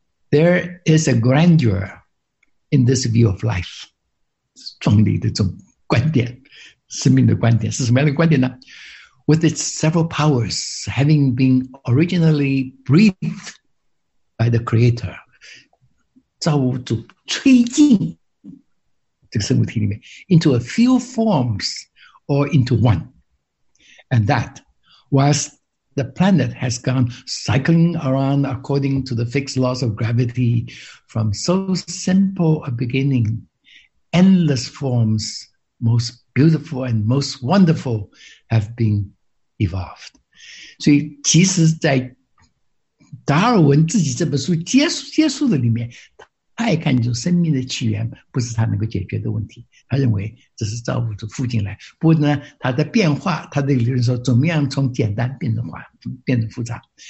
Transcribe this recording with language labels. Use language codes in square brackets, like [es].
[en] There is a grandeur in this view of life. [zh] 壮丽的这种观点，生命的观点是什么样的观点呢？ [en] With its several powers having been originally breathed by the creator. [zh] 造物主吹进这个生物体里面 [en] into a few forms or into one. And that was the planet has gone cycling around according to the fixed laws of gravity, from so simple a beginning, endless forms, most beautiful and most wonderful, have been evolved. [zh] 所以，其实，在达尔文自己这本书结束的里面，他一看就生命的起源不是他能够解决的问题，他认为这是造物主附进来。不过呢，他的变化，他的理论说，怎么样从简单变成化，变成复杂？